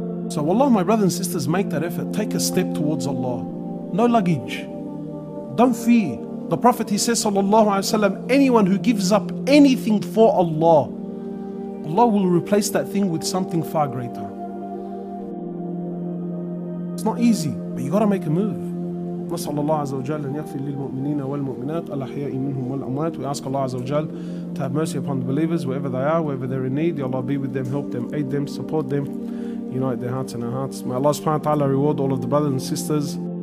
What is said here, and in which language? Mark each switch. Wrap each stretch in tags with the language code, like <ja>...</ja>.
<en>So Allah, my brothers and sisters, make that effort. Take a step towards Allah. No luggage. Don't fear. The Prophet, he says, sallallahu alayhi wa sallam, anyone who gives up anything for Allah, Allah will replace that thing with something far greater. It's not easy, but you got to make a move.</en> <ar>نسأل الله عز وجل أن يغفر للمؤمنين والمؤمنات الأحياء منهم والأموات.</ar> <en>We ask Allah عز وجل to have mercy upon the believers wherever they are, wherever they're in need. Ya Allah, be with them, help them, aid them, support them, unite their hearts and our hearts. May Allah subhanahu wa ta'ala reward all of the brothers and sisters.</en>